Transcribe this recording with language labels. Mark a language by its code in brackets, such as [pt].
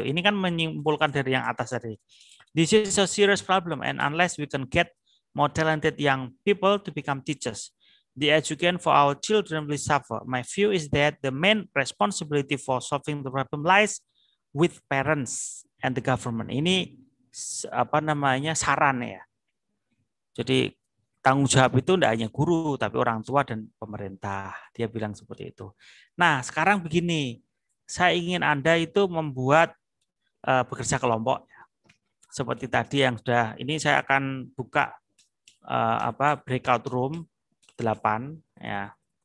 [id] Ini kan menyimpulkan dari yang atas tadi. [en] This is a serious problem, and unless we can get more talented young people to become teachers, the education for our children will suffer. My view is that the main responsibility for solving the problem lies with parents and the government. [id] Ini apa namanya saran ya. Jadi tanggung jawab itu tidak hanya guru, tapi orang tua dan pemerintah. Dia bilang seperti itu. Nah, sekarang begini, saya ingin Anda itu membuat bekerja kelompok. Seperti tadi yang sudah, ini saya akan buka apa breakout room 8 ya.